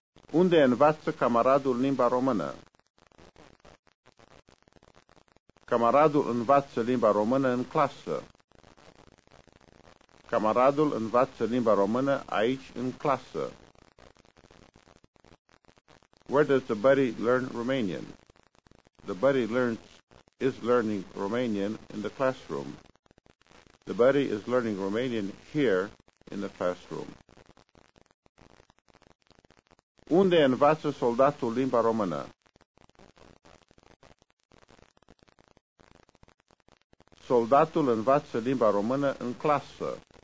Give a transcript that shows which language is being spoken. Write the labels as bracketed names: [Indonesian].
[Romanian] Unde învață camaradul limba română? Camaradul învață limba română în clasă. Camaradul învață limba română aici în clasă. [English] Where does the buddy learn Romanian? The buddy is learning Romanian in the classroom. The buddy is learning Romanian here in the classroom. [Romanian] Unde învață soldatul limba română? Soldatul învață limba română în clasă.